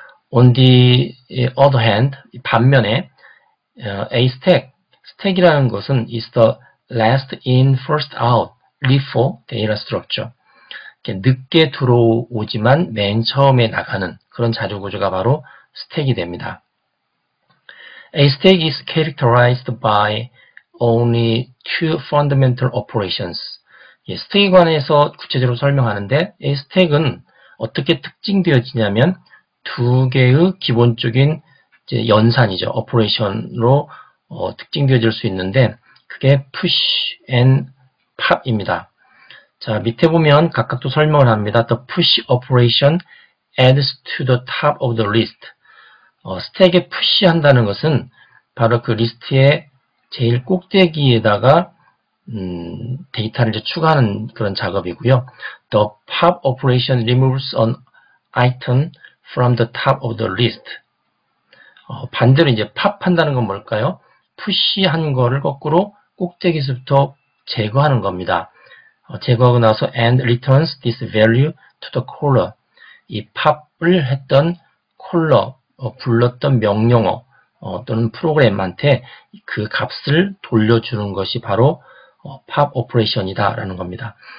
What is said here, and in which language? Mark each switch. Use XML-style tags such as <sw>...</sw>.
<en>On the other hand,</en> <ko>반면에</ko> <en>a stack,</en> <ko>stack이라는 것은</ko> <en>is the last in, first out, LIFO data structure.</en> <ko>늦게 들어오지만 맨 처음에 나가는 그런 자료 구조가 바로 스택이 됩니다.</ko> <en>A stack is characterized by only two fundamental operations.</en> <ko>스택에 관해서 구체적으로 설명하는데, A stack은 어떻게 특징되어지냐면, 두 개의 기본적인 이제 연산이죠. operation으로 특징되어질 수 있는데, 그게 push and pop 입니다. 자, 밑에 보면 각각 또 설명을 합니다.</ko> <en>The push operation adds to the top of the list.</en> <ko>스택에 push 한다는 것은 바로 그 리스트의 제일 꼭대기에다가, 데이터를 이제 추가하는 그런 작업이고요.</ko> <en>The pop operation removes an item from the top of the list.</en> <ko>반대로 이제 pop 한다는 건 뭘까요? push 한 거를 거꾸로 꼭대기에서부터 제거하는 겁니다. 제거하고 나서</ko> <en>and returns this value to the caller.</en> <ko>이 pop을 했던 caller, 불렀던 명령어 또는 프로그램한테 그 값을 돌려주는 것이 바로 pop operation이다 라는 겁니다.</ko>